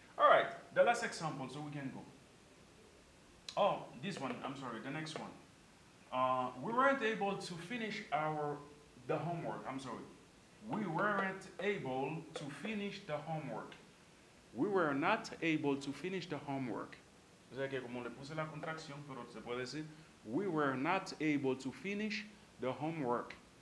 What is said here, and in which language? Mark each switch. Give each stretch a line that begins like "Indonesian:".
English: All right. The last example, so we can go. Oh, this one. I'm sorry. The next one. We weren't able to finish the homework. I'm sorry. We weren't able to finish the homework. We were not able to finish the homework.
Spanish: O sea que como le puse la contracción, pero se puede decir,
English: we were not able to finish the homework.